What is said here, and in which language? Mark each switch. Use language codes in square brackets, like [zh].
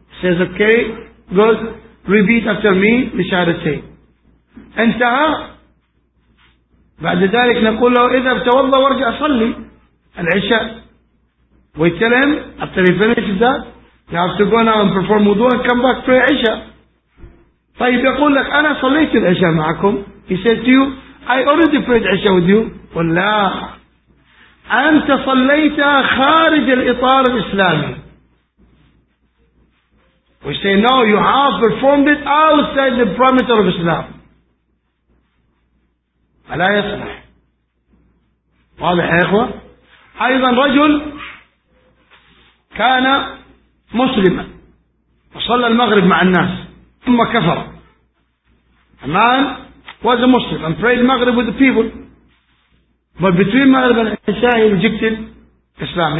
[en] Says okay, good, repeat after me the شهادتين. [ar] انتهى. بعد ذلك نقول له إذا بتوضى وارجع صلي العشاء. [en] We tell him after he finishes that you have to go now and perform wudu and come back for العشاء. [ar] طيب يقول لك أنا صليت العشاء معكم. [en] He says to you I already prayed عشاء with you. [ar] قل لا أنت صليت خارج الإطار الإسلامي. [en] We say no, you have performed it outside the parameter of Islam. [ar] فلا يصلح. واضح يا إخوة؟ أيضا رجل كان مسلما وصلى المغرب مع الناس ثم كفر. [en] A man was a Muslim and prayed المغرب with the people. But between Maghrib and Isha, he rejected Islam.